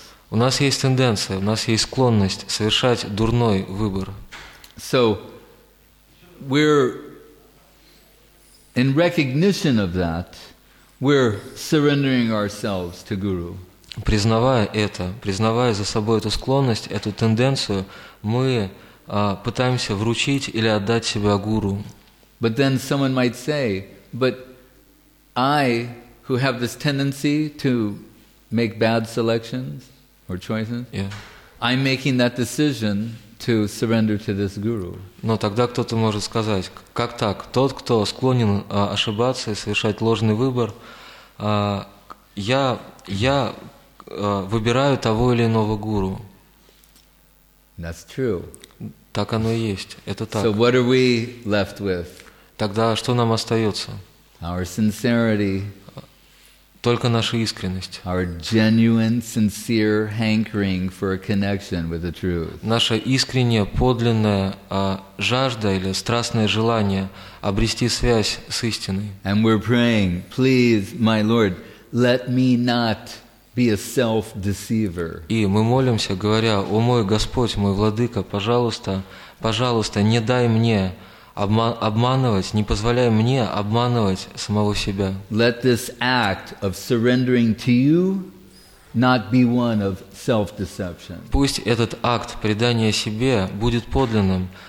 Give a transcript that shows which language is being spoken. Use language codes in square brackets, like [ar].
[ru] У нас есть тенденция, у нас есть склонность совершать дурной выбор. [en] So, we're in recognition of that. We're surrendering ourselves to Guru. [ru] Признавая это, признавая за собой эту склонность, эту тенденцию, мы пытаемся вручить или отдать себя Гуру. [en] But then someone might say, but I, who have this tendency to make bad selections or choices, I'm making that decision to surrender to this guru. [ru] Но тогда кто-то может сказать, как так? Тот, кто склонен ошибаться и совершать ложный выбор, я выбираю того или иного гуру. [en] That's true. [ru] Так оно и есть. Это так. [en] So what are we left with? [ru] Тогда что нам остается? [en] Our sincerity. [ru] Только наша искренность. [en] Our genuine, sincere hankering for a connection with the truth. [ru] Наша искренняя, подлинная жажда или страстное желание обрести связь с истиной. [en] And we're praying, please, my Lord, let me not be a self-deceiver. [ru] И мы молимся, говоря, о мой Господь, мой Владыка, пожалуйста, пожалуйста, не дай мне обманывать, не позволяй мне обманывать самого себя. [en] Let this act of surrendering to you not be one of self-deception. [ru] Пусть этот акт предания себе будет подлинным.